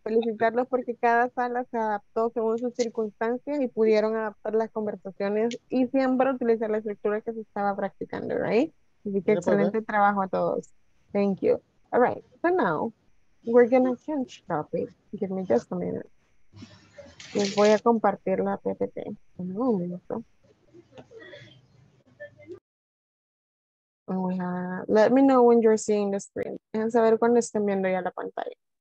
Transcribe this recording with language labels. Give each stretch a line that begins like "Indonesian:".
Spanish: Felicitarlos porque cada sala se adaptó según sus circunstancias y pudieron adaptar las conversaciones y siempre utilizar la estructura que se estaba practicando, right? Así que excelente trabajo a todos.
English: Thank you. All right, so now we're going to change topic. Give me just a minute.
Spanish: Les voy a compartir la PPT. Un minuto.
English: Let me know when you're seeing the screen.
Spanish: Déjenme saber cuando estén viendo ya la pantalla.